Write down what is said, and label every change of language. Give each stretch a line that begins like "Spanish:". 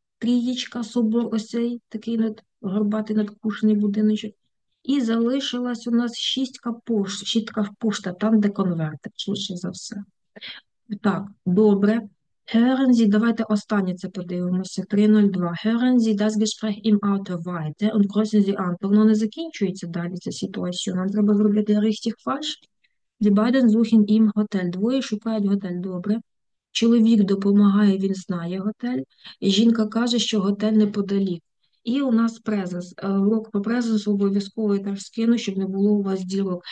Ukrainian: Трієчка, собор, ось цей такий горбатий надкушений будиночок. І залишилась у нас шістка пошта, там, де конверти, швидше за все. Так, добре.
German: Hören Sie,
Ukrainian: давайте останнє це подивимося. 302.
German: Hören Sie das Gespräch im Auto weiter und kreuzen Sie an.
Ukrainian: Воно не закінчується далі ця ситуація. Нам треба зробити
German: richtig falsch. Die beiden suchen im Hotel.
Ukrainian: Двоє шукають готель. Добре. Чоловік допомагає, він знає готель. Жінка каже, що готель неподалік. І у нас презенс. Урок по презенсу обов'язково я теж скину, щоб не було у вас дірок.